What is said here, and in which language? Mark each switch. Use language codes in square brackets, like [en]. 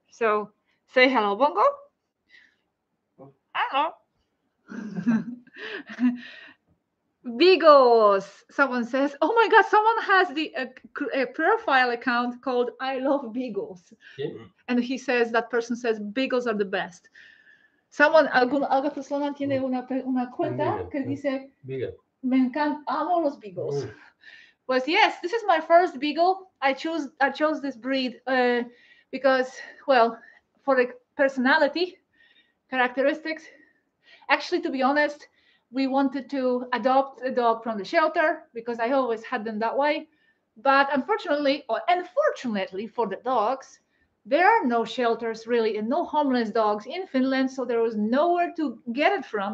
[en] So say hello, Bongo. Hello. Beagles, someone says. Oh my God, someone has the a profile account called I Love Beagles. Yeah. And he says, that person says, Beagles are the best. Someone, [es] alguna persona tiene una cuenta que dice, me encanta, amo los beagles. [en] Well, yes, this is my first beagle. I chose this breed because, well, for the personality characteristics. Actually, to be honest, we wanted to adopt a dog from the shelter because I always had them that way. But unfortunately, or unfortunately for the dogs, there are no shelters really and no homeless dogs in Finland, so there was nowhere to get it from.